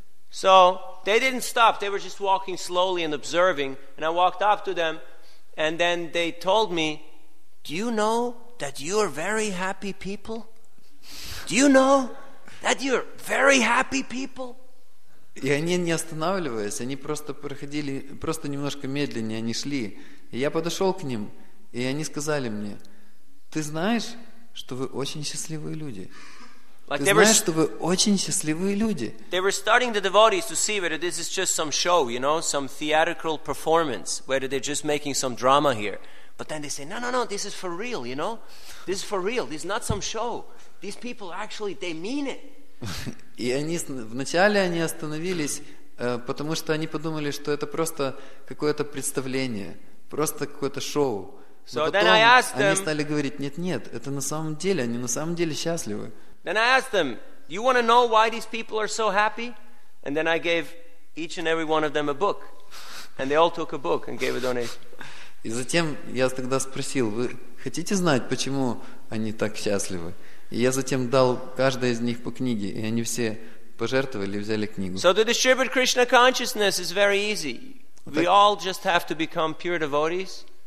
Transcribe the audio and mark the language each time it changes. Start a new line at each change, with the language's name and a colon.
English: So they didn't stop, they were just walking slowly and observing, and I walked up to them, and then they told me, do you know that you are very happy people? Do you know that you're very happy people?
Russian: И они, не останавливаясь, они просто проходили, просто немножко медленнее они шли. И я подошел к ним, и они сказали мне: ты знаешь, что вы очень счастливые люди? Like, ты знаешь, что вы очень счастливые люди?
English: They were starting the devotees to see whether this is just some show, you know, some theatrical performance, whether they're just making some drama here. But then they say, no, this is for real, you know? This is for real, this is not some show. These people actually, they mean it.
Russian: И они вначале они остановились, потому что они подумали, что это просто какое-то представление, просто какое-то шоу.
English: So
Russian: потом
English: then I asked them,
Russian: они стали говорить: нет, это на самом деле, они на самом деле счастливы.
English: Then I asked them, do you want to know why these people are so happy? And then I gave each and every one of them a book. And they all took a book and gave a donation.
Russian: И затем я тогда спросил: вы хотите знать, почему они так счастливы? И я затем дал каждой из них по книге, и они все пожертвовали и взяли книгу.
English: So to distribute Krishna consciousness is very easy. We all just have to become pure devotees.